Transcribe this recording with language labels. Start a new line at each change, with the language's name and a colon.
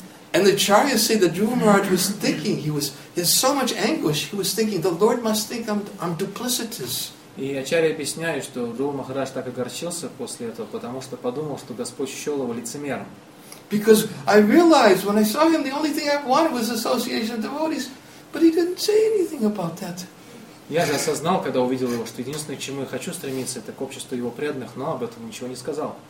English: And the Acharyas say that Dhruva Maharaj was thinking, he was in so much anguish, he was thinking, the Lord must think I'm duplicitous.
Russian: И Ачарья объясняет, что Дхрува Махарадж так огорчился после этого, потому что подумал, что Господь счел его лицемером.
English: Because I realized when I saw him, the only thing I wanted was association of devotees, but he didn't say anything about that.
Russian: Я же осознал, когда увидел его, что единственное, к чему я хочу стремиться, это к обществу его преданных, но об этом ничего не сказал.